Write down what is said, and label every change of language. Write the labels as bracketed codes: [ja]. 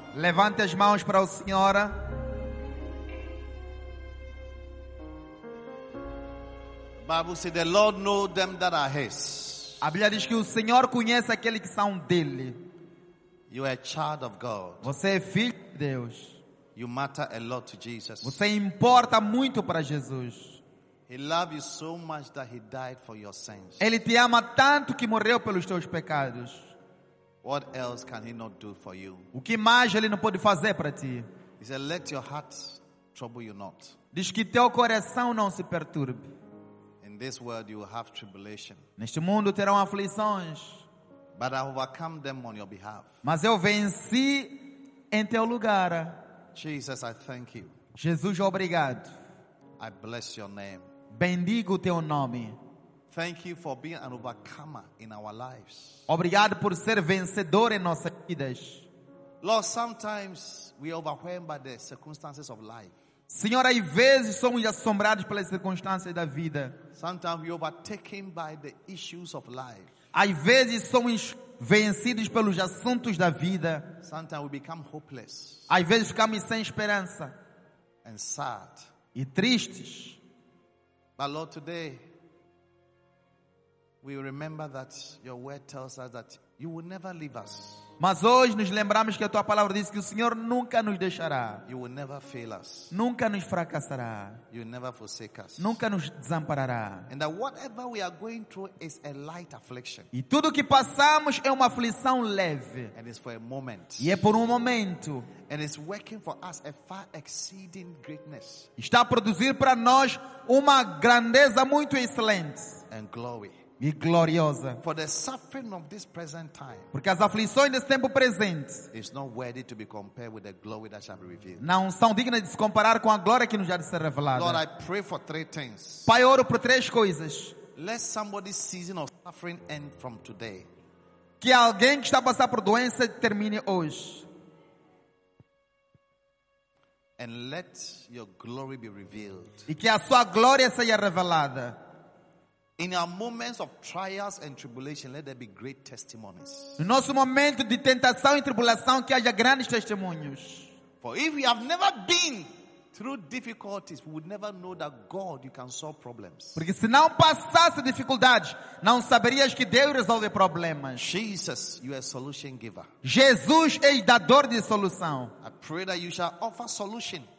[pt] Levante as mãos para o Senhor. [en] Bible says the Lord know them that are His. [pt] A Bíblia diz que o Senhor conhece aqueles que são dele. [en] You are a child of God. [pt] Você é filho de Deus. [en] You matter a lot to Jesus. [pt] Você importa muito para Jesus. [en] He loves you so much that He died for your sins. [pt] Ele te ama tanto que morreu pelos teus pecados. [en] What else can He not do for you? [pt] O que mais Ele não pode fazer para ti? [en] He said, "Let your heart trouble you not." [pt] Diz que teu coração não se perturbe. [en] In this world you will have tribulation. [pt] Neste mundo terão aflições. [en] But I overcome them on your behalf. [pt] Mas eu venci em teu lugar. [en] Jesus, I thank you. [pt] Jesus, obrigado. [en] I bless your name. [pt] Bendigo o teu nome. [en] Thank you for being an overcomer in our lives. [pt] Obrigado por ser vencedor em nossas vidas. [en] Lord, sometimes we are overwhelmed by the circumstances of life. [pt] Senhor, às vezes somos assombrados pelas circunstâncias da vida. [en] Sometimes we are overtaken by the issues of life. [pt] Às vezes somos vencidos pelos assuntos da vida. [en] Sometimes we become hopeless. [pt] Às vezes ficamos sem esperança. [en] And sad. [pt] E tristes. [en] But Lord, today we remember that your word tells us that you will never leave us. [pt] Mas hoje nos lembramos que a tua palavra diz que o Senhor nunca nos deixará. [en] You will never fail us. [pt] Nunca nos fracassará. [en] You will never forsake us. [pt] Nunca nos desamparará. [en] And that whatever we are going through is a light affliction. [pt] E tudo que passamos é uma aflição leve. [en] And it's for a moment. [pt] E é por momento. [en] And it's working for us a far exceeding greatness. [pt] Está a produzir para nós uma grandeza muito excelente. [en] And glory. [pt] E gloriosa. [en] For the suffering of this present time, [pt] porque as aflições desse tempo presente, [en] is not worthy to be compared with the glory that shall be revealed. [pt] Não são dignas de se comparar com a glória que nos há de ser revelada. [en] Lord, I pray for three things. [pt] Pai, oro por três coisas. [en] Let somebody's season of suffering end from today. [pt] Que alguém que está a passar por doença termine hoje. [en] And let your glory be revealed. [pt] E que a sua glória seja revelada. [en] In our moments of trials and tribulation, let there be great testimonies. [pt] No nosso momento de tentação e tribulação, que haja grandes testemunhos. [en] For if we have never been through difficulties, we would never know that God, you can solve problems. [pt] Porque se não passasse dificuldades, não saberias que Deus resolve problemas. [en] Jesus, you are a solution giver. [pt] Jesus é dador de solução. [en] I pray that you shall offer solution.